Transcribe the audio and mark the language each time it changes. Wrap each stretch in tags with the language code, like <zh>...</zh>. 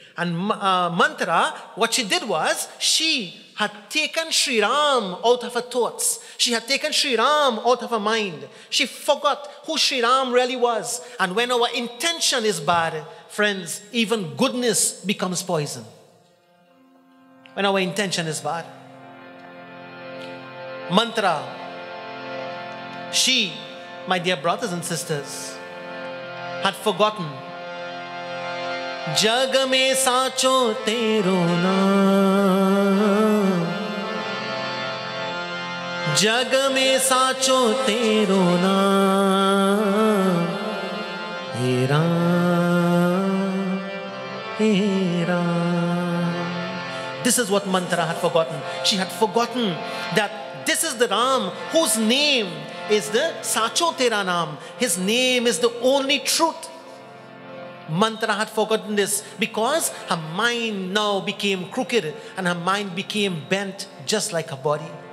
<en>And Mantra, what she did was, she had taken Sri Ram out of her thoughts. She had taken Sri Ram out of her mind. She forgot who Sri Ram really was. And when our intention is bad, friends, even goodness becomes poison. When our intention is bad. Mantra, she, my dear brothers and sisters, had forgotten</en> <hi>जग में साचो तेरो नाम जग में साचो तेरो नाम हे राम</hi> <en>हे Ram. This is what Mantra had forgotten. She had forgotten that this is the Ram whose name is the</en> <hi>Sacho Tera Naam.</hi> <en>His name is the only truth. mantra had forgotten this because her mind now became crooked and her mind became bent just like her body.</en>